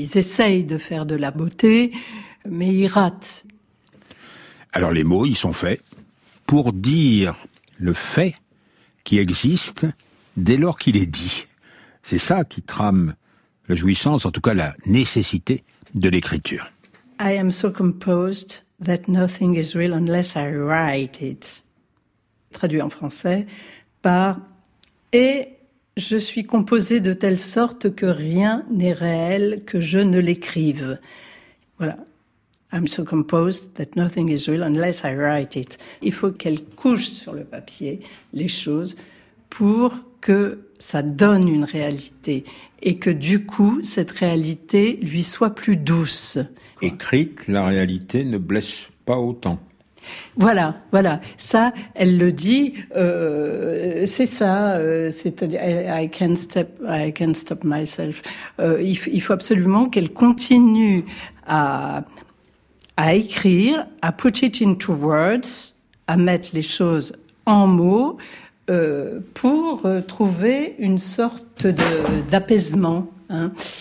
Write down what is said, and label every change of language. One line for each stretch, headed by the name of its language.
French: Ils essayent de faire de la beauté, mais ils ratent. Alors les mots, ils sont faits pour dire le fait qui existe dès lors qu'il est dit. C'est ça qui trame la jouissance, en tout cas la nécessité de l'écriture.
English: I am so composed that nothing is real unless I write it.
French: Traduit en français par « et » Je suis composé de telle sorte que rien n'est réel que je ne l'écrive. Voilà.
English: I'm so composed that nothing is real unless I write it.
French: Il faut qu'elle couche sur le papier les choses pour que ça donne une réalité et que du coup, cette réalité lui soit plus douce. Écrite, la réalité ne blesse pas autant. Voilà, voilà. Ça, elle le dit. C'est ça. C'est-à-dire,
English: I can't stop myself.
French: Il faut absolument qu'elle continue à écrire, à
English: put it into words,
French: à mettre les choses en mots, pour trouver une sorte d'apaisement. Hein.